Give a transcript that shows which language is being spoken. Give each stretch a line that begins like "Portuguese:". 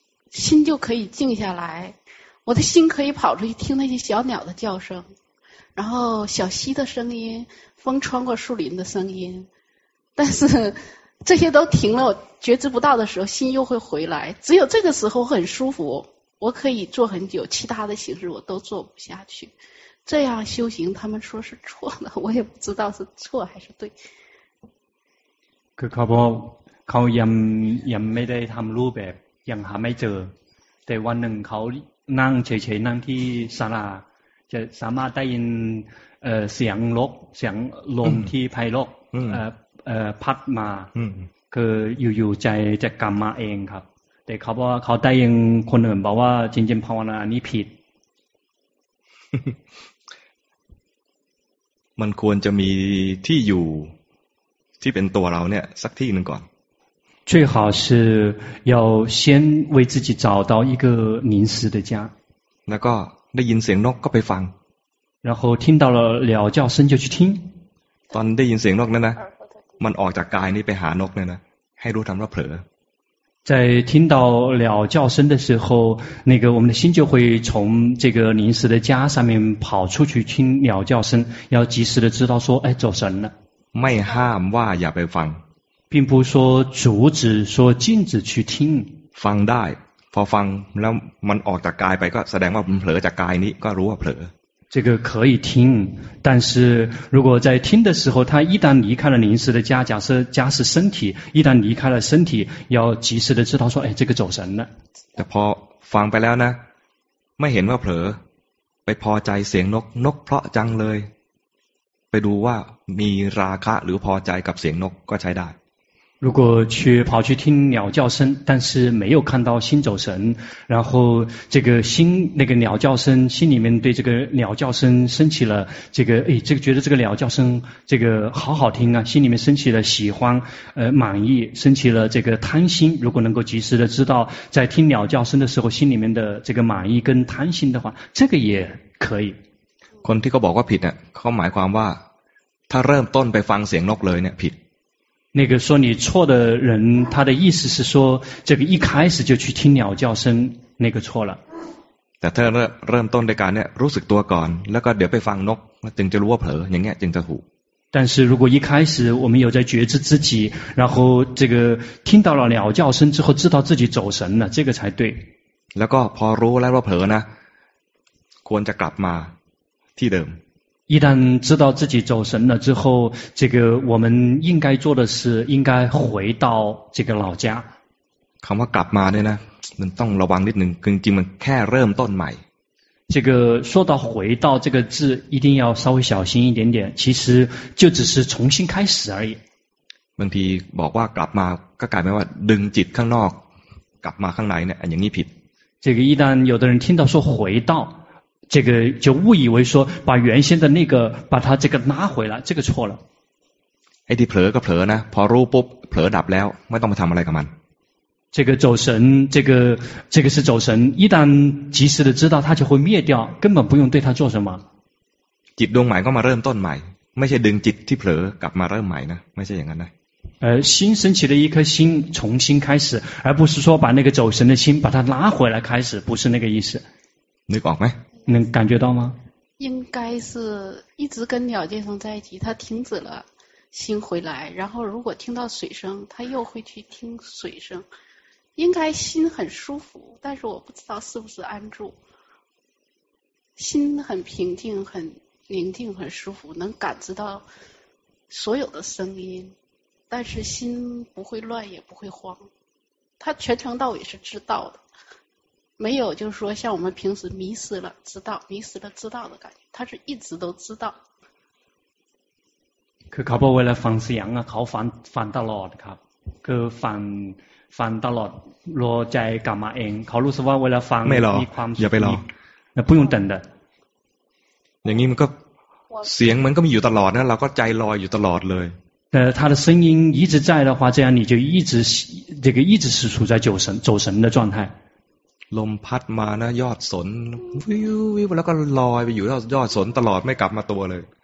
Chinese: 心就可以静下来我的心可以跑出去听那些小鸟的叫声然后小溪的声音风穿过树林的声音但是这些都停了我觉知不到的时候心又会回来只有这个时候很舒服我可以做很久其他的形式我都做不下去这样修行他们说是错的我也不知道是错还是对
Thai: คือเขายังไม่ได้ทำรูปแบบยังหาไม่เจอแต่วันหนึ่งเขานั่งเฉยๆนั่งที่ศาลาจะสามารถได้ยินเสียงลมที่ไพเราะ พัดมาคืออยู่ๆใจจะกรรมมาเองครับแต่เขาว่าเขาได้ยังคนอื่นบอกว่าจริงๆภาวนานี่ผิด มันควรจะมีที่อยู่ที่เป็นตัวเราเนี่ยสักที่หนึ่งก่อน
Chinese: 最好是要先为自己找到一个临时的家
Thai: แล้วก็ได้ยินเสียงนกก็ไปฟัง
Chinese: 然后听到了鸟叫声就去听
Thai: ตอนได้ยินเสียงนกนั่นนะมันออกจากกายนี่ไปหานกเนี่ยนะให้รู้ทันว่าเผล
Chinese: อ在听到鸟叫声的时候那个我们的心就会从这个临时的家上面跑出去听鸟叫声要及时的知道说哎走神了
Thai: ไม่ห้ามว่าอย่าไปฟัง
Chinese: 并不说阻止说禁止去听
Thai: ฟังได้พอฟังแล้วมันออกจากกายไปก็แสดงว่ามันเผลอจากกายนี้ก็รู้ว่าเผลอ
Chinese: 这个可以听但是如果在听的时候他一旦离开了临时的家假设家是身体一旦离开了身体要及时的知道说哎这个走神了
Thai: แต่พอฟังไปแล้วนะไม่เห็นว่าเผลอไปพอใจเสียงนกนกเพราะจังเลยไปดูว่ามีราคะหรือพอใจกับเสียงนกก็ใช้ได้
Chinese: 如果去跑去听鸟叫声但是没有看到心走神然后这个心那个鸟叫声心里面对这个鸟叫声升起了这个诶这个觉得这个鸟叫声这个好好听啊心里面升起了喜欢满意升起了这个贪心如果能够及时的知道在听鸟叫声的时候心里面的这个满意跟贪心的话这个也可以
Thai: คนที่เขาบอกว่าผิดเนี่ยเขาหมายความว่าถ้าเริ่มต้นไปฟังเสียงนกเลยเนี่ยผิด
Chinese: 那个说你错的人他的意思是说这个一开始就去听鸟叫声那个错了
Thai: แต่ถ้าเริ่มต้นในการเนี่ยรู้สึกตัวก่อนแล้วก็เดี๋ยวไปฟังนกจึงจะรู้ว่าเผลออย่างเงี้ยจึงจะถูก
Chinese: 但是如果一开始我们有在觉知自己然后这个听到了鸟叫声之后知道自己走神了这个才对
Thai: แล้วก็พอรู้แล้วว่าเผลอนะควรจะกลับมาที่เดิม
Chinese: 一旦知道自己走神了之后这个我们应该做的是应该回到这个老家
Thai: คำว่ากลับมาเนี่ยนะมันต้องระวังนิดนึงจริงๆมันแค่เริ่มต้นใหม่
Chinese: 这个说到回到这个字一定要稍微小心一点点其实就只是重新开始而已
Thai: บางทีบอกว่ากลับมาก็กลายเป็นว่าดึงจิตข้างนอกกลับมาข้างในเนี่ยอย่างนี้ผิด
Chinese: 这个一旦有的人听到说回到这个就误以为说把原先的那个把它这个拉回来这个错了
Thai: ไอ้ที่เผลอก็เผลอนะพอรู้ปุ๊บเผลอดับแล้วไม่ต้องมาทำอะไรกับมัน
Chinese: 这个走神这个是走神一旦及时的知道它就会灭掉根本不用对它做什么
Thai: จิตดวงใหม่ก็มาเริ่มต้นใหม่ไม่ใช่ดึงจิตที่เผลอกลับมาเริ่มใหม่นะไม่ใช่อย่างนั้นนะ
Chinese: 心升起了一颗心重新开始而不是说把那个走神的心把它拉回来开始不是那个意思
Thai: นึกออกไหม
Chinese: 能感觉到吗应该是一直跟鸟叫声在一起它停止了心回来然后如果听到水声它又会去听水声应该心很舒服但是我不知道是不是安住心很平静很宁静很舒服能感知到所有的声音但是心不会乱也不会慌它全程到尾是知道的没有就是说像我们平时迷失了知道迷失了知道的感觉他是一直都知道
Thai: คือเขาบอกเวลาฟังเสียงอ่ะเขาฟังตลอดครับคือฟังตลอดรอใจกลับมาเองเขารู้สึกว่าเวลาฟัง มี ความ อย่าไปรอ
Chinese: 不用等的
Thai: อย่างนี้มันก็เสียงมันก็มีอยู่ตลอดนะเราก็ใจลอยอยู่ตลอดเลย
Chinese: 他的声音一直在的话这样你就一直这个一直是处在走神的状态
Thai: ลมพัดมานะยอดสนวิววิวแล้วก็ลอยไปอยู่ยอดสนตลอดไม่กลับมาตัวเลย